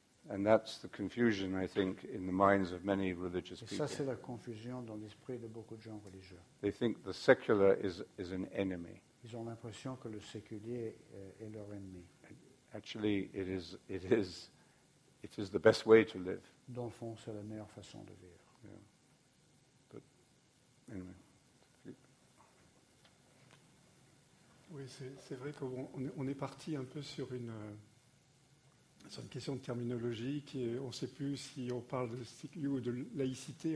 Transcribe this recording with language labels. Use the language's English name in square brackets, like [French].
[English] And that's the confusion, I think, in the minds of many religious people. [French] Et ça, c'est la confusion dans l'esprit de beaucoup de gens religieux. [English] They think the secular is an enemy. [French] Ils ont l'impression que le séculier est leur ennemi. [English] Actually, it is the best way to live. [French] Dans le fond, c'est la meilleure façon de vivre. [English] Yeah. But anyway. [French] Oui, c'est vrai qu'on est parti un peu sur une question de terminologie qui est, on ne sait plus si on parle de séculier ou de laïcité.